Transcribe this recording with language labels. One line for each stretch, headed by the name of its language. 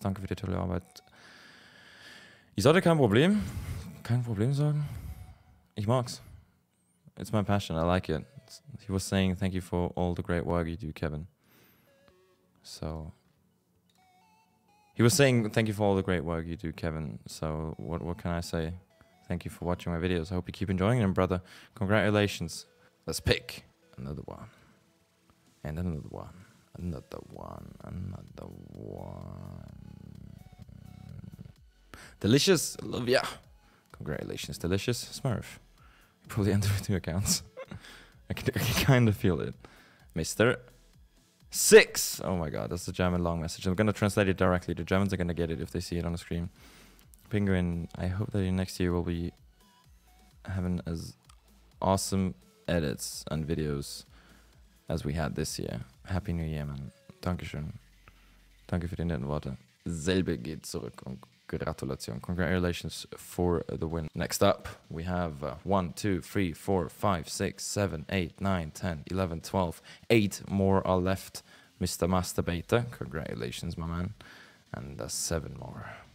German: Danke für die tolle Arbeit. Ich sollte kein Problem. Kein Problem sagen. Ich mag's.
English: It's my passion. I like it. He was saying thank you for all the great work you do, Kevin. So he was saying thank you for all the great work you do, Kevin. So what can I say? Thank you for watching my videos. I hope you keep enjoying them, brother. Congratulations. Let's pick another one. And another one. Another one. Another one. Delicious. Love ya. Congratulations. Delicious. Smurf. Probably end with two accounts. I can kind of feel it. Mr. 6. Oh my god, that's the German long message. I'm going to translate it directly. The Germans are going to get it if they see it on the screen. Penguin, I hope that next year will be having as awesome edits and videos as we had this year. Happy New Year, man. Dankeschön.
German: Danke für die netten Worte. Selbe geht zurück und Gratulation.
English: Congratulations for the win. Next up, we have 1, 2, 3, 4, 5, 6, 7, 8, 9, 10, 11, 12, 8 more are left. Mr. Masturbator, congratulations, my man. And 7 more.